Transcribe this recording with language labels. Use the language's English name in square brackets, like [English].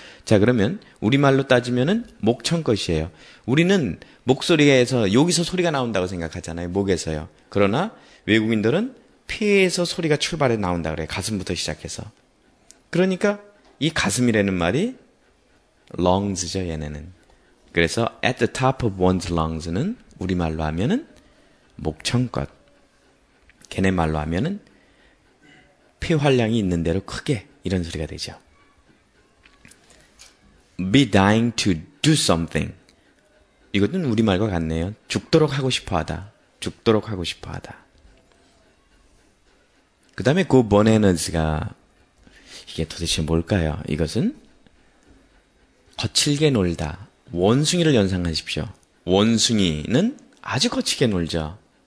[Korean] 자, 그러면 우리말로 따지면은 목청껏이에요. 우리는 목소리에서 여기서 소리가 나온다고 생각하잖아요. 목에서요. 그러나 외국인들은 폐에서 소리가 출발해 나온다 그래요. 가슴부터 시작해서. 그러니까 이 가슴이라는 말이 lungs죠, 얘네는. 그래서 [English] at the top of one's lungs [Korean] 는 우리말로 하면은 목청껏. 걔네 말로 하면은 폐 활량이 있는 대로 크게 이런 소리가 되죠. [English] be dying to do something. [Korean] 이것은 우리말과 같네요. 죽도록 하고 싶어하다. 죽도록 하고 싶어하다. 그 다음에 [English] go bananas [Korean] 가 이게 도대체 뭘까요? 이것은 거칠게 놀다. 원숭이를 연상하십시오. 원숭이는 아주 거칠게 놀죠.